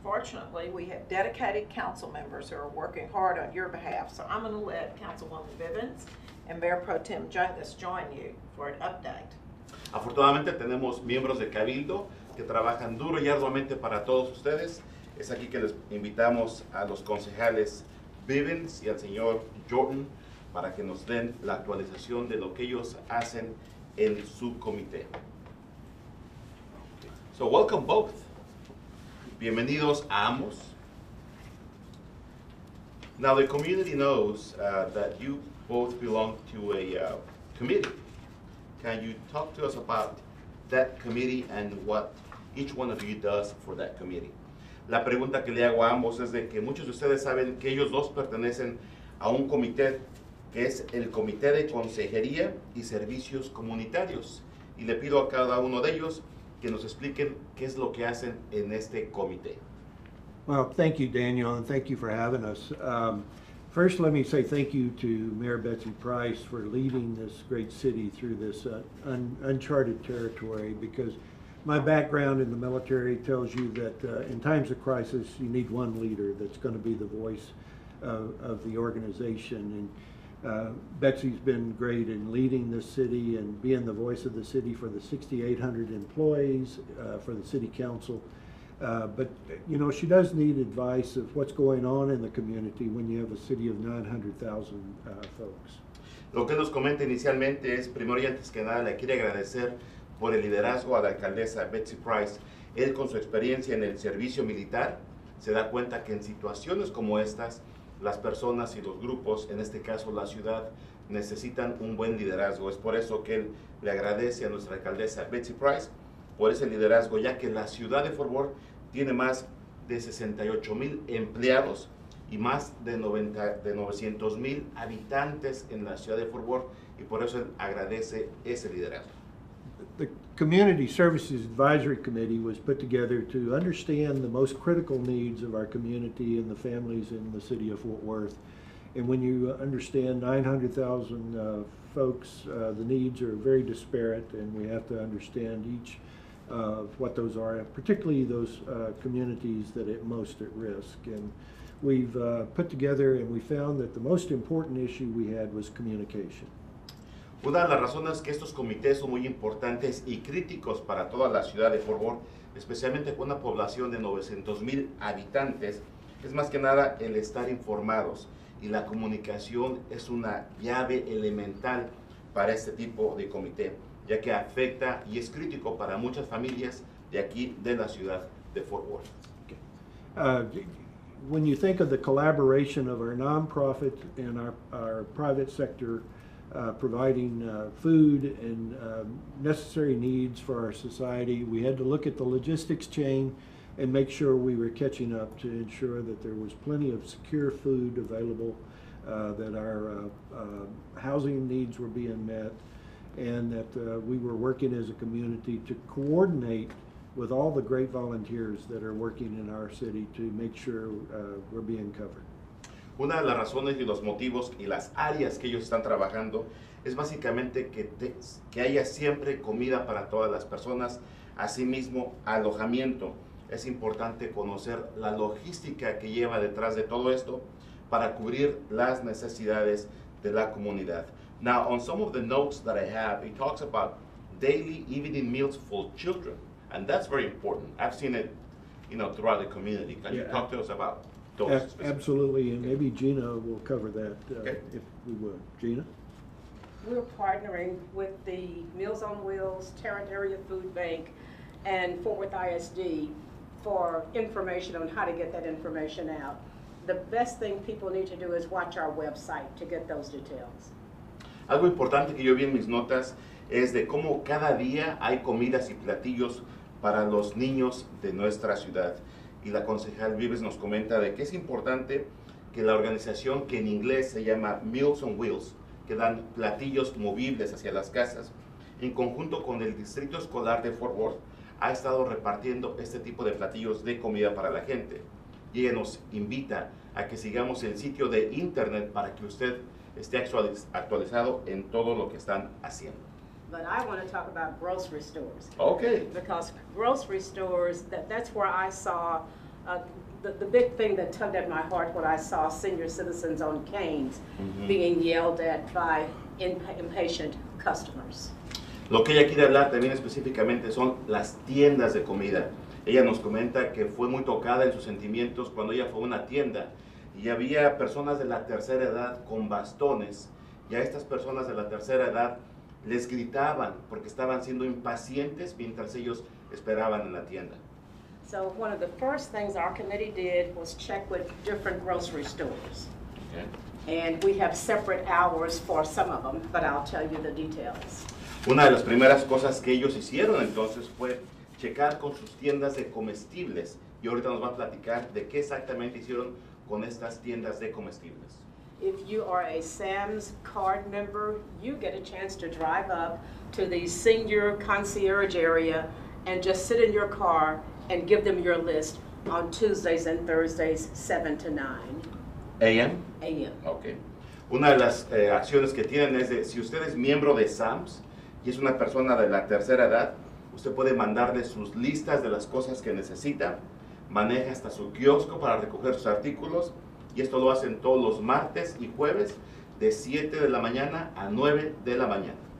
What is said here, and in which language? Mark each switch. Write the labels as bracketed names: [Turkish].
[English] Fortunately, we have dedicated council members who are working hard on your behalf, so I'm going to let Councilwoman Bibbins and Mayor Pro Tem Jungus join you for an update. [Spanish] Afortunadamente, tenemos miembros de Cabildo que trabajan duro y arduamente para todos ustedes. Es aquí que les invitamos a los concejales Bibbins y al señor Jordan para que nos den la actualización de lo que ellos hacen en su comité. [English] So, welcome both. [Spanish] Bienvenidos a ambos. [English] Now, the community knows that you both belong to a committee. Can you talk to us about that committee and what each one of you does for that committee? [Spanish] La pregunta que le hago a ambos es de que muchos de ustedes saben que ellos dos pertenecen a un comité que es el Comité de Consejería y Servicios Comunitarios. Y le pido a cada uno de ellos que nos expliquen qué es lo que hacen en este comité. [English] Well, thank you, Daniel, and thank you for having us. First, let me say thank you to Mayor Betsy Price for leading this great city through this uncharted territory, because my background in the military tells you that in times of crisis, you need one leader that's going to be the voice of the organization. And Betsy's been great in leading the city and being the voice of the city for the 6,800 employees, for the city council. But, you know, she does need advice of what's going on in the community when you have a city of 900,000 folks. [Spanish] Lo que nos comenta inicialmente es, primero y antes que nada, le quiere agradecer por el liderazgo a la alcaldesa Betsy Price. Él, con su experiencia en el servicio militar, se da cuenta que en situaciones como estas, las personas y los grupos, en este caso la ciudad, necesitan un buen liderazgo. Es por eso que él le agradece a nuestra alcaldesa Betsy Price por ese liderazgo, ya que la ciudad de Fort Worth tiene más de 68,000 empleados y más de 900,000 habitantes en la ciudad de Fort Worth, y por eso él agradece ese liderazgo. [English] The Community Services Advisory Committee was put together to understand the most critical needs of our community and the families in the city of Fort Worth. And when you understand 900,000 folks, the needs are very disparate, and we have to understand each of what those are, particularly those communities that are most at risk. And we've put together and we found that the most important issue we had was communication. [Spanish] Una de las razones que estos comités son muy importantes y críticos para toda la ciudad de Fort Worth, especialmente con una población de 900,000 habitantes, es más que nada el estar informados. Y la comunicación es una llave elemental para este tipo de comité, ya que afecta y es crítico para muchas familias de aquí, de la ciudad de Fort Worth. [English] Okay. When you think of the collaboration of our nonprofit and our private sector, providing food and necessary needs for our society, we had to look at the logistics chain and make sure we were catching up to ensure that there was plenty of secure food available, that our housing needs were being met, and that we were working as a community to coordinate with all the great volunteers that are working in our city to make sure we're being covered. [Spanish] Una de las razones y los motivos y las áreas que ellos están trabajando es básicamente que haya siempre comida para todas las personas, asimismo alojamiento. Es importante conocer la logística que lleva detrás de todo esto para cubrir las necesidades de la comunidad. [English] Now, on some of the notes that I have, it talks about daily evening meals for children, and that's very important. I've seen it, you know, throughout the community. Can you talk to us about Absolutely, and maybe Gina will cover that if we would. Gina? We're partnering with the Meals on Wheels, Tarrant Area Food Bank, and Fort Worth ISD for information on how to get that information out. The best thing people need to do is watch our website to get those details. [Spanish] Algo importante que yo vi en mis notas es de cómo cada día hay comidas y platillos para los niños de nuestra ciudad. Y la concejal Vives nos comenta de que es importante que la organización, que en inglés se llama Meals on Wheels, que dan platillos movibles hacia las casas, en conjunto con el Distrito Escolar de Fort Worth, ha estado repartiendo este tipo de platillos de comida para la gente. Y ella nos invita a que sigamos el sitio de internet para que usted esté actualizado en todo lo que están haciendo. [English] But I want to talk about grocery stores. Okay. Because grocery stores, that's where I saw the big thing that tugged at my heart when I saw senior citizens on canes being yelled at by impatient customers. [Spanish] Lo que ella quiere hablar también específicamente son las tiendas de comida. Ella nos comenta que fue muy tocada en sus sentimientos cuando ella fue a una tienda y había personas de la tercera edad con bastones, y a estas personas de la tercera edad les gritaban porque estaban siendo impacientes mientras ellos esperaban en la tienda. [English] So one of the first things our committee did was check with different grocery stores. Okay. And we have separate hours for some of them, but I'll tell you the details. [Spanish] Una de las primeras cosas que ellos hicieron entonces fue checar con sus tiendas de comestibles, y ahorita nos va a platicar de qué exactamente hicieron con estas tiendas de comestibles. [English] If you are a Sam's card member, you get a chance to drive up to the senior concierge area and just sit in your car and give them your list on Tuesdays and Thursdays, 7 to 9. A.M.? A.M. Okay. [Spanish] Una de las acciones que tienen es de, si usted es miembro de Sam's y es una persona de la tercera edad, usted puede mandarle sus listas de las cosas que necesita, maneja hasta su kiosco para recoger sus artículos, y esto lo hacen todos los martes y jueves de 7 de la mañana a 9 de la mañana.